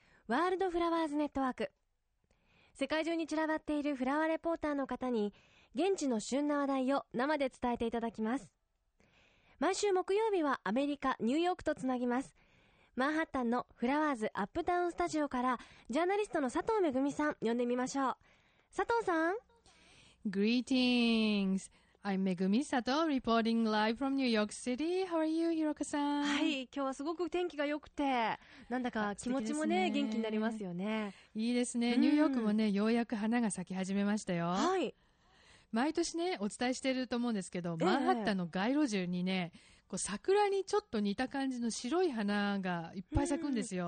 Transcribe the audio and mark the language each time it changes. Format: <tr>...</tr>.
<ja>ワールドフラワーズネットワーク。世界中に散らばっているフラワーレポーターの方に現地の旬な話題を生で伝えていただきます。毎週木曜日はアメリカ・ニューヨークとつなぎます。マンハッタンのフラワーズアップタウンスタジオからジャーナリストの佐藤めぐみさん呼んでみましょう。佐藤さん。</ja> <en>Greetings, I'm Megumi Sato, reporting live from New York City. How are you, Hiroka-san?</en> <ja>はい、今日はすごく天気が良くて、なんだか気持ちも ね、元気になりますよね。いいですね。ニューヨークもね、ようやく花が咲き始めましたよ。はい。毎年ね、お伝えしていると思うんですけど、マンハッタンの街路樹にね、こう桜にちょっと似た感じの白い花がいっぱい咲くんですよ。</ja>